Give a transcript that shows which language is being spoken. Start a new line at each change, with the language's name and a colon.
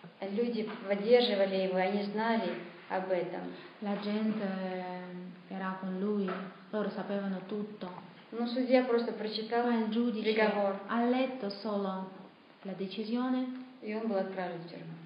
Russian: Люди поддерживали его, они знали об этом.
Italian: La gente era con lui, loro sapevano tutto.
Russian: Но судья просто прочитал приговор.
Italian: Ha letto solo la decisione.
Russian: И он был отправлен в тюрьму.